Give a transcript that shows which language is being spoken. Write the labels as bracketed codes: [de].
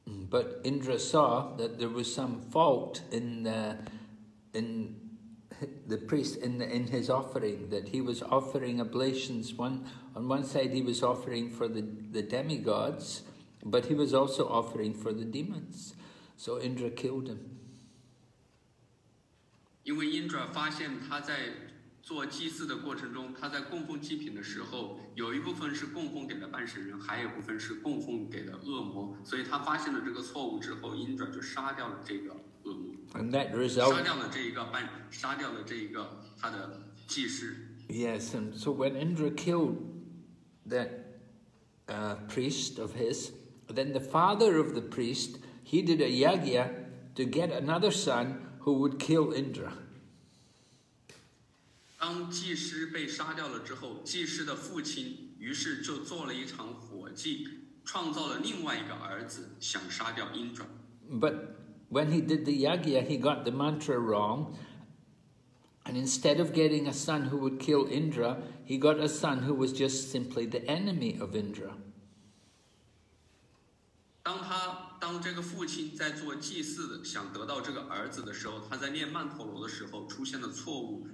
[en] But Indra saw that there was some fault in the priest in his offering, that he was offering oblations. On one side, he was offering for the demigods, but he was also offering for the demons. So Indra killed him. [zh] 为 Indra 发现他在做祭祀的过程中，他在供奉祭品的时候，有一部分是供奉给了半神人，还有一部分是供奉给了恶魔。所以他发现了这个错误之后， Indra 就杀掉了这个恶魔。 [en] And that result, [zh] 杀掉了这一个他的祭师。 [en] Yes, and so when Indra killed that priest of his, then the father of the priest, he did a yagya to get another son who would kill Indra. [zh] 当祭师被杀掉了之后，祭师的父亲于是就做了一场火祭，创造了另外一个儿子，想杀掉 Indra. [en] But when he did the yagya, he got the mantra wrong. And instead of getting a son who would kill Indra, he got a son who was just simply the enemy of Indra. [zh] 当这个父亲在做祭祀，想得到这个儿子的时候，他在念曼陀罗的时候出现了错误。